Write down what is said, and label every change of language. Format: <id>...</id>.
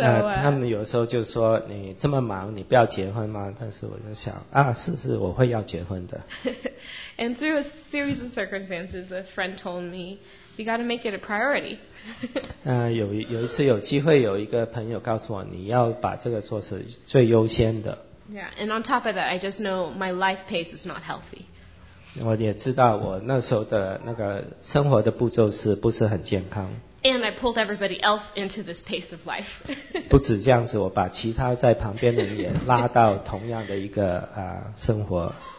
<zh>他们有时候就说你这么忙，你不要结婚吗？但是我就想啊，是，我会要结婚的。</zh> <en>And through a series of circumstances, a friend told me, "You got to make it a priority."</en> <zh>有一次有机会，有一个朋友告诉我，你要把这个做是最优先的。</zh> <en>Yeah, and on top of that, I just know my life pace is not healthy.</en> <zh>我也知道我那时候的那个生活的步骤是不是很健康。</zh> <en>And I pulled everybody else into this pace of life.</en> <zh>不止这样子，我把其他在旁边的人也拉到同样的一个生活。</zh>